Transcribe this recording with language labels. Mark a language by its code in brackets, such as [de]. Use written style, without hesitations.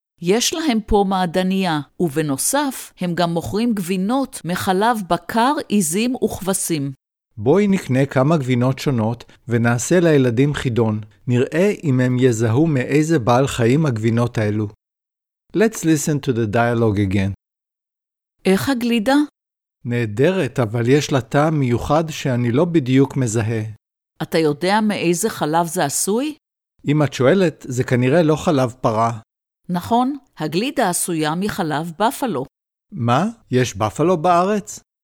[he] יש להם פה מעדניה, ובנוסף הם גם מוכרים גבינות מחלב בקר, עיזים וכבשים. בואי נקנה כמה גבינות שונות ונעשה לילדים חידון. נראה אם הם יזהו מאיזה בעל חיים הגבינות האלו. [en] Let's listen to the dialogue again. [he] איך הגלידה? נהדרת, אבל יש לה טעם מיוחד שאני לא בדיוק מזהה. אתה יודע מאיזה חלב זה עשוי? אם את שואלת, זה כנראה לא חלב פרה. נכון, הגלידה עשויה מחלב בפלו. מה? יש בפלו בארץ?